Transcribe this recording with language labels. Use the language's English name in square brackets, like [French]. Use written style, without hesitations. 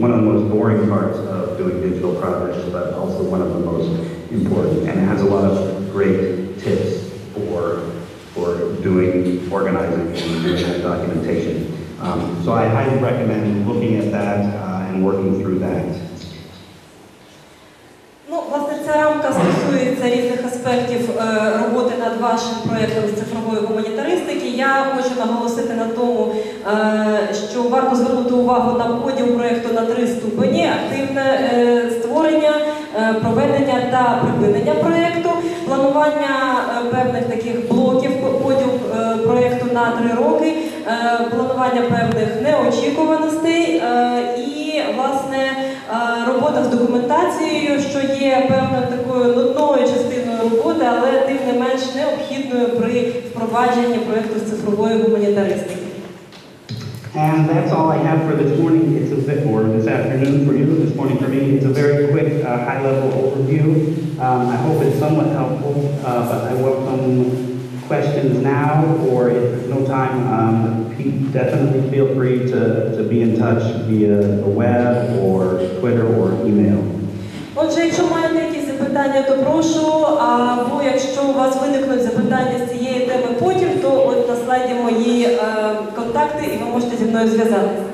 [English] One of the most boring parts of doing digital projects, but also one of the most important. And it has a lot of great tips for doing organizing and doing that documentation. So I highly recommend looking at that and working through that. [Ukrainian] Ну, власне, ця рамка стосується різних аспектів роботи над вашим проєктом з цифрової гуманітаристики. Я хочу наголосити на тому, що варто звернути увагу на поділ проєкту на три ступені: активне створення, проведення та припинення проєкту, планування певних таких блоків поділ проєкту на три роки, планування певних неочікуваностей і, власне, робота з документацією, що є певною такою нудною частиною роботи, але тим не менш необхідною при впровадженні проєкту з цифрової гуманітаристики. [English] And that's all I have for this morning. It's a bit more this afternoon for you, this morning for me. It's a very quick, high-level overview. I hope it's somewhat helpful, but I welcome questions now, or if there's no time, definitely feel free to be in touch via the web or Twitter or email. [Ukrainian] Отже, якщо маєте якісь запитання, то прошу, або якщо у вас виникнуть запитання з цієї теми потім, то от на слайді мої контакти, і ви можете зі мною зв'язатися.